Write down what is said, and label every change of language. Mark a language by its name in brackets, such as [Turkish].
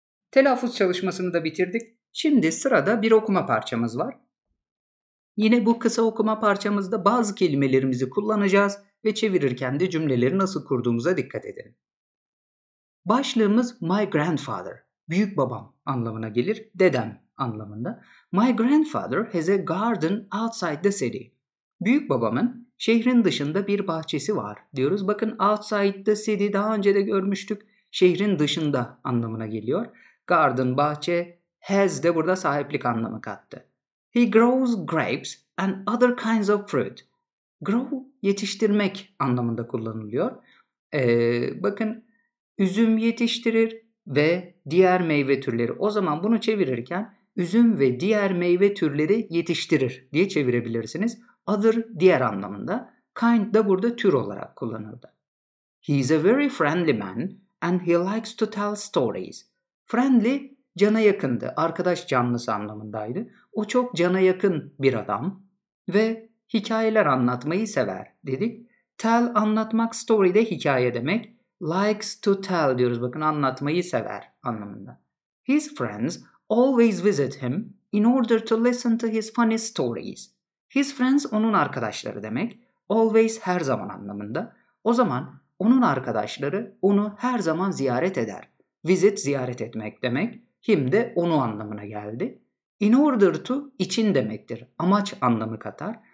[Turkish] Telaffuz çalışmasını da bitirdik. Şimdi sırada bir okuma parçamız var. Yine bu kısa okuma parçamızda bazı kelimelerimizi kullanacağız ve çevirirken de cümleleri nasıl kurduğumuza dikkat edin. Başlığımız [English] my grandfather, [Turkish] büyük babam anlamına gelir, dedem anlamında. [English] My grandfather has a garden outside the city. [Turkish] Büyük babamın şehrin dışında bir bahçesi var diyoruz. Bakın [English] outside the city [Turkish] daha önce de görmüştük. Şehrin dışında anlamına geliyor. Garden, bahçe, has de burada sahiplik anlamı kattı. [English] He grows grapes and other kinds of fruit. [Turkish] Grow, yetiştirmek anlamında kullanılıyor. Bakın, üzüm yetiştirir ve diğer meyve türleri. O zaman bunu çevirirken üzüm ve diğer meyve türleri yetiştirir diye çevirebilirsiniz. Other, diğer anlamında. Kind da burada tür olarak kullanıldı. [English] He is a very friendly man and he likes to tell stories. [Turkish] Friendly, cana yakındı. Arkadaş canlısı anlamındaydı. O çok cana yakın bir adam ve hikayeler anlatmayı sever dedik. Tell, anlatmak, story de hikaye demek. [English] Likes to tell [Turkish] diyoruz. Bakın, anlatmayı sever anlamında. [English] His friends always visit him in order to listen to his funny stories. His friends [Turkish] onun arkadaşları demek. Always, her zaman anlamında. O zaman onun arkadaşları onu her zaman ziyaret eder. Visit, ziyaret etmek demek. Him de onu anlamına geldi. [English] In order to, [Turkish] için demektir. Amaç anlamı katar.